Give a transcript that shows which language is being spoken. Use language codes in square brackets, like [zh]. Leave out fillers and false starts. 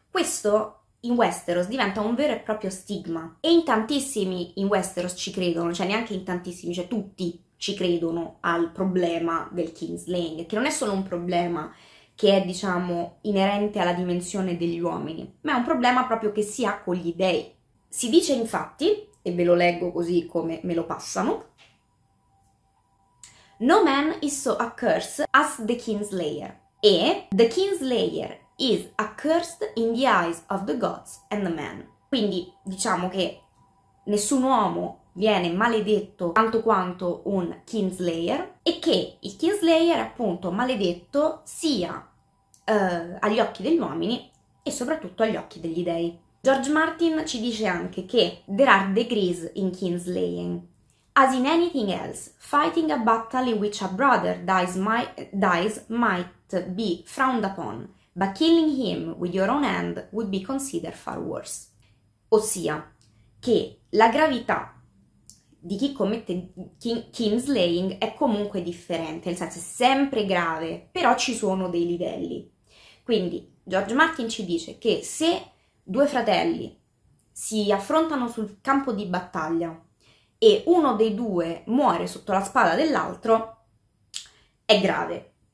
[it] Questo in Westeros diventa un vero e proprio stigma e in tantissimi in Westeros ci credono, cioè neanche in tantissimi, cioè tutti ci credono al problema del Kinslaying, che non è solo un problema che è, diciamo, inerente alla dimensione degli uomini, ma è un problema proprio che si ha con gli dèi. Si dice infatti e ve lo leggo così come me lo passano. [en] No man is so accursed as the Kingslayer. E the Kingslayer is accursed in the eyes of the gods and the men. [it] Quindi diciamo che nessun uomo viene maledetto tanto quanto un Kingslayer e che il Kingslayer è appunto maledetto sia agli occhi degli uomini e soprattutto agli occhi degli dei. George Martin ci dice anche che [en] there are degrees in Kingslaying. As in anything else, fighting a battle in which a brother dies might be frowned upon, but killing him with your own hand would be considered far worse. [it] Ossia, che la gravità di chi commette Kingslaying è comunque differente, nel senso è sempre grave, però ci sono dei livelli. Quindi George Martin ci dice che se due fratelli si affrontano sul campo di battaglia e uno dei due muore sotto la spada dell'altro, è grave.